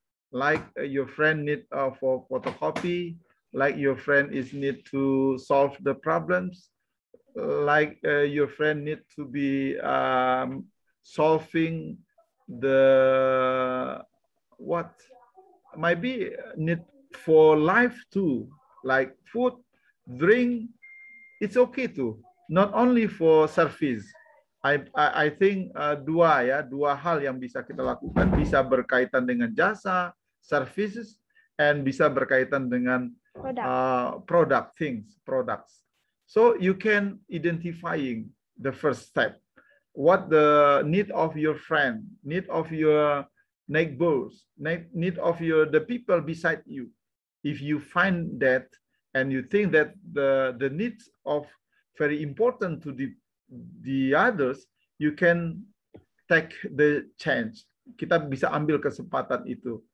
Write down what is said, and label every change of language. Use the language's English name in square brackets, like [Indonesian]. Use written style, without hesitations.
[English] Like your friend need for photocopy. Like your friend is need to solve the problems, like your friend need to be solving the what might be need for life too, like food, drink. It's okay too, not only for service. I think [Indonesian] dua hal yang bisa kita lakukan, bisa berkaitan dengan jasa services and bisa berkaitan dengan [English] product things. So you can identifying the first step, what the need of your friend, need of your neighbors, need of your the people beside you. If you find that and you think that the needs of very important to the others, you can take the chance. [Indonesian] Kita bisa ambil kesempatan itu.